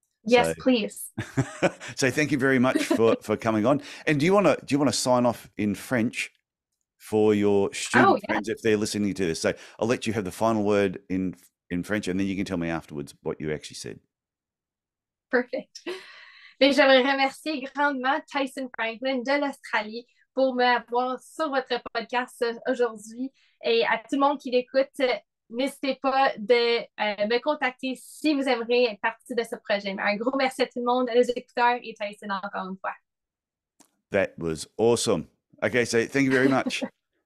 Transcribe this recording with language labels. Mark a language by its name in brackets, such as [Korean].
[English] Yes, so, please. So thank you very much for coming on. And do you want to sign off in French for your student friends if they're listening to this? So I'll let you have the final word in French, and then you can tell me afterwards what you actually said. Perfect. [French] Mais j'aimerais remercier grandement Tyson Franklin de l'Australie pour m'avoir sur votre podcast aujourd'hui. Et à tout le monde qui l'écoute, n'hésitez pas de me contacter si vous aimeriez être partie de ce projet. Un gros merci à tout le monde, à nos écouteurs et Tyson encore une fois. [English] That was awesome. Okay, so thank you very much.